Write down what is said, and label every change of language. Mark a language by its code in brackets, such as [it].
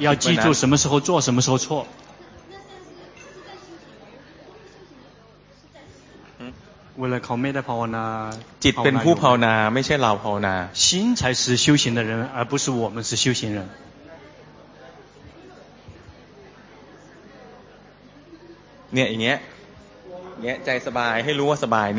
[zh] 要记住什么时候做什么时候错 [th] เวลาเขาไม่ได้ภาวนา จิตเป็นผู้ภาวนาไม่ใช่เราภาวนา [zh] 心才是修行的人而不是我们是修行人 [th] เนี่ยอย่างเงี้ยเนี่ยใจสบายให้รู้ว่าสบายเน